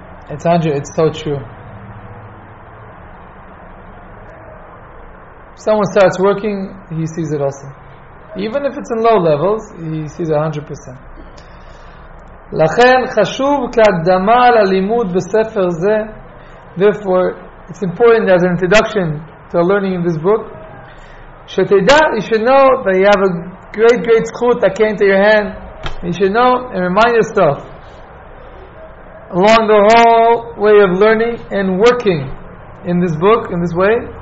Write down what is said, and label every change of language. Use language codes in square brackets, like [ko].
[en] It's Andrew, it's so true. Someone starts working, he sees it also. Even if it's in low levels, he sees 100%. [he] לכן חשוב כהקדמה ללימוד בספר זה. [en] Therefore, it's important as an introduction to learning in this book. [he] שתדע, [en] you should know that you have a great, great זכות that came to your hand. You should know and remind yourself along the whole way of learning and working in this book, in this way.